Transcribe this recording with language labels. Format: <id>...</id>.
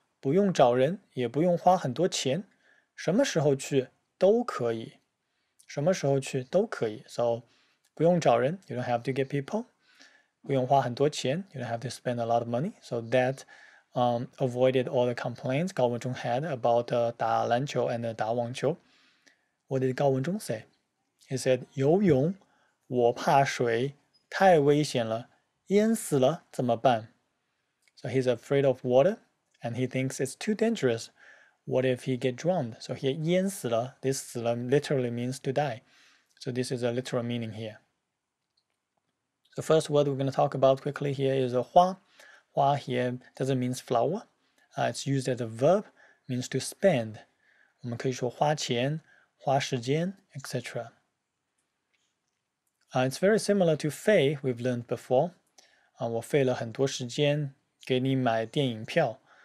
<zh>王鹏说，你去游泳吧，不用找人，也不用花很多钱。什么时候去都可以。什么时候去都可以.</zh> <en>So,</en> <zh>不用找人,</zh> <en>you don't have to get people.</en> <zh>不用花很多钱,</zh> <en>you don't have to spend a lot of money. So that avoided all the complaints Gao Wenzhong had about 打篮球 and 打网球. What did Gao Wenzhong say? He said,</en> <zh>游泳,我怕水,太危险了,淹死了,怎么办?</zh> <en>So he's afraid of water and he thinks it's too dangerous. What if he get drowned? So here, 淹死了, this 死了 literally means to die. So this is a literal meaning here. The first word we're going to talk about quickly here is a 花. 花 here doesn't mean flower. It's used as a verb, means to spend.</en> <zh>我们可以说花钱,花时间, etc.</zh> <en>It's very similar to 费, we've learned before.</en> <zh>我费了很多时间给你买电影票.</zh>